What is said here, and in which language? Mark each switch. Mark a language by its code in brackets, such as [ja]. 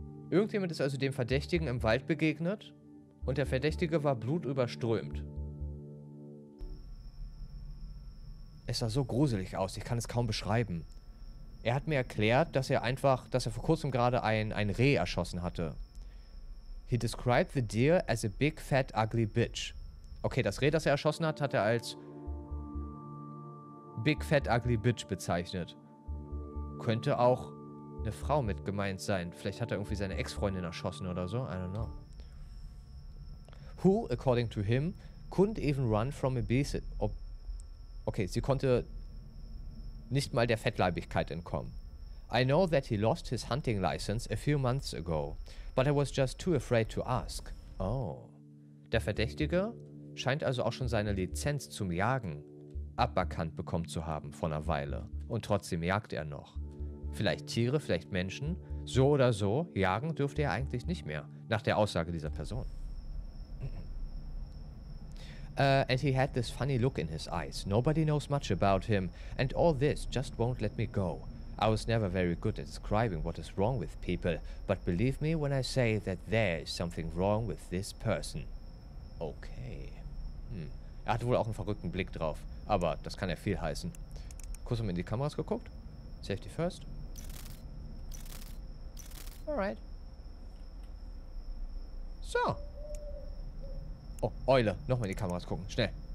[de] Irgendjemand ist also dem Verdächtigen im Wald begegnet und der Verdächtige war blutüberströmt. Es sah so gruselig aus, ich kann es kaum beschreiben. Er hat mir erklärt, dass er vor kurzem gerade ein Reh erschossen hatte. [en] He described the deer as a big, fat, ugly bitch. [de] Okay, das Reh, das er erschossen hat, hat er als [en] big, fat, ugly bitch [de] bezeichnet. Könnte auch eine Frau mit gemeint sein. Vielleicht hat er irgendwie seine Ex-Freundin erschossen oder so. [en] I don't know. Who, according to him, couldn't even run from a beast. [de] Okay, sie konnte nicht mal der Fettleibigkeit entkommen. [en] I know that he lost his hunting license a few months ago, but I was just too afraid to ask. Oh. [de] Der Verdächtige scheint also auch schon seine Lizenz zum Jagen aberkannt bekommen zu haben vor einer Weile. Und trotzdem jagt er noch. Vielleicht Tiere, vielleicht Menschen. So oder so, jagen dürfte er eigentlich nicht mehr, nach der Aussage dieser Person. [en] And he had this funny look in his eyes. Nobody knows much about him, and all this just won't let me go. I was never very good at describing what is wrong with people, but believe me when I say that there is something wrong with this person. Okay. [de] Er hatte wohl auch einen verrückten Blick drauf, aber das kann ja viel heißen. Kurz haben wir in die Kameras geguckt. [en] Safety first. Alright. [de] So. Oh, Eule. Nochmal in die Kameras gucken. Schnell.